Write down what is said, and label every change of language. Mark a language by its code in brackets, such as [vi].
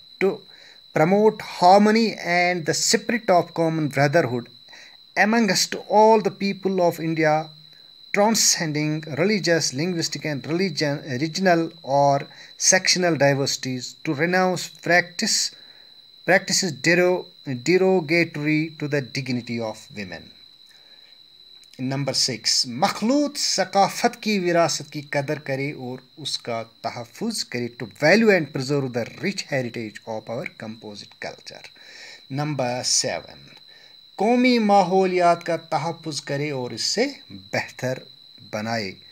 [en] To promote harmony and the spirit of common brotherhood amongst all the people of India transcending religious linguistic and regional or sectional diversities. To renounce practices derogatory to the dignity of women. [ur] Number six, مخلوط ثقافت کی وراثت کی قدر کرے اور اس کا تحفظ کرے. [en] To value and preserve the rich heritage of our composite culture. [ur] Number seven, قومی ماحولیات کا تحفظ کرے اور اس سے بہتر بنائے.